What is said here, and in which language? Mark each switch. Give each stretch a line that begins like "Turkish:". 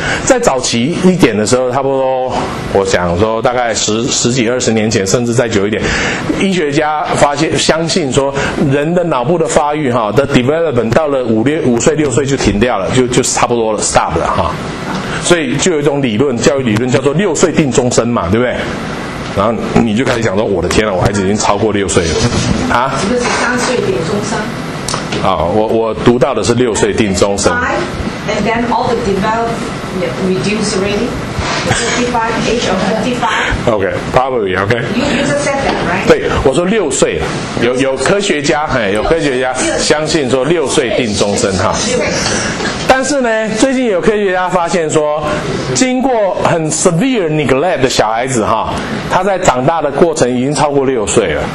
Chinese: 在早期一点的时候，差不多我想说大概十几二十年前，甚至再久一点，医学家发现相信说人的脑部的发育哈的 development 到了五岁六岁就停掉了，就差不多了 stop 了哈。所以就有一种理论，教育理论叫做六岁定终身嘛，对不对？然后你就开始想说，我的天啊，我孩子已经超过六岁了，啊？这个是3岁定终身。啊，我读到的是6岁定终身。
English: Five and then all the develop reduce already. 45 age of 45. Okay, probably okay. You just said that, right?
Chinese: 对，我说六岁，有科学家相信说六岁定终身哈。但是呢，最近有科学家发现说，经过很
English: severe neglect
Chinese: 的小孩子哈，他在长大的过程已经超过六岁了。